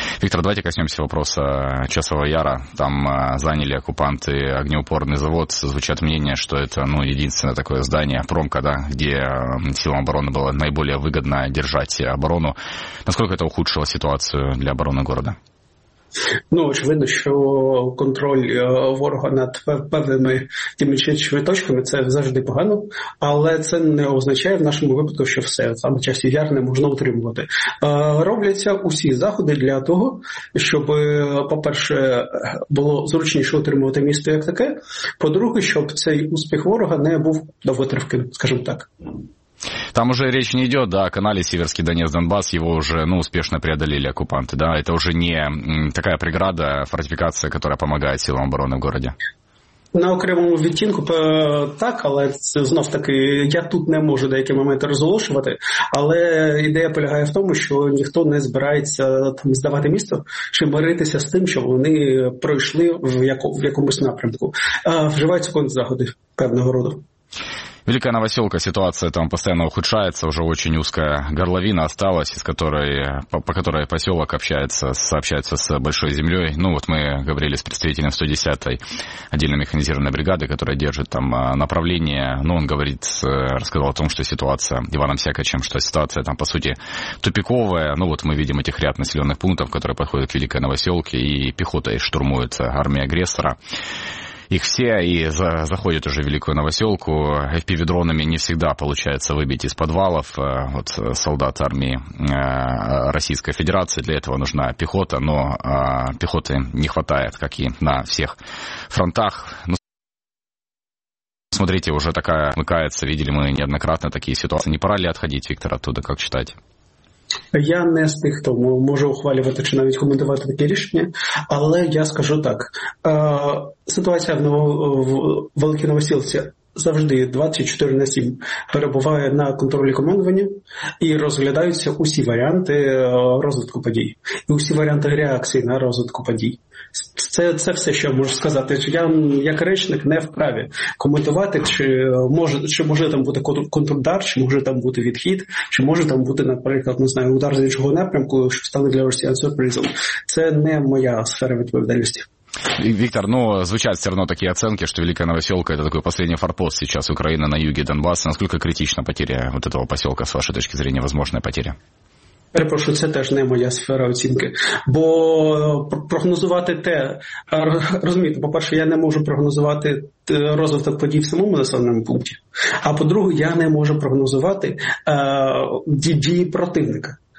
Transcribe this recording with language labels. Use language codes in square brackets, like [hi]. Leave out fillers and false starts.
[ru] Виктор, давайте коснемся вопроса Часового Яра. Там заняли оккупанты огнеупорный завод. Звучат мнения, что это единственное такое здание, промка, да, где силам обороны было наиболее выгодно держать оборону. Насколько это ухудшило ситуацию для обороны города? [uk] Очевидно, що контроль ворога над певними тими чи точками – це завжди погано, але це не означає в нашому випадку, що все, саме часів яр не можна утримувати. Робляться усі заходи для того, щоб, по-перше, було зручніше утримувати місто як таке, по-друге, щоб цей успіх ворога не був довготривким, скажімо так. [ru] Там уже речь не идет, да, о канале Северский Донец-Донбасс, его уже, успешно преодолели оккупанты, да, это уже не такая преграда, фортификация, которая помогает силам обороны в городе. [uk] На окремому відтінку так, але це, знов-таки, я тут не можу деякі моменти розголошувати, але ідея полягає в тому, що ніхто не збирається там здавати місто чи миритися з тим, що вони пройшли в якомусь напрямку. Вживаються контрзаходи певного роду. [ru] Великая Новоселка, ситуация там постоянно ухудшается, уже очень узкая горловина осталась, из которой, по которой поселок общается, сообщается с большой землей. Ну вот мы говорили с представителем 110-й отдельной механизированной бригады, которая держит там направление, ну он говорит, рассказал о том, что ситуация, Иваном Сякачем, что ситуация там по сути тупиковая, ну вот мы видим этих ряд населенных пунктов, которые подходят к Великой Новоселке, и пехотой штурмует армия агрессора. Их все и заходят уже в Великую Новоселку. FPV-дронами не всегда получается выбить из подвалов вот, солдат армии Российской Федерации. Для этого нужна пехота, но пехоты не хватает, как и на всех фронтах. Смотрите, уже такая смыкается. Видели мы неоднократно такие ситуации. Не пора ли отходить, Виктор, оттуда, как считать? [uk] Я не з тих, хто може ухвалювати чи навіть коментувати таке рішення, але я скажу так. Ситуація в Великій Новосілці завжди 24/7 перебуває на контролі командування і розглядаються усі варіанти розвитку подій. І усі варіанти реакції на розвитку подій. Це все, що я можу сказати. Я як речник не вправі коментувати, чи може там бути контрудар, чи може там бути відхід, чи може там бути, наприклад, не знаю, удар з іншого напрямку, що стане для росіян сюрпризом. Це не моя сфера відповідальності. [ru] Виктор, ну, звучат все равно такие оценки, что Великая Новоселка – это такой последний форпост сейчас Украины на юге Донбасса. Насколько критична потеря вот этого поселка, с вашей точки зрения, возможная потеря? [uk] Перепрошу, це теж не моя сфера оцінки. Бо прогнозувати те, розумієте, по-перше, я не можу прогнозувати розвиток подій в самому населеному пункті, а по-друге, я не можу прогнозувати дії противника.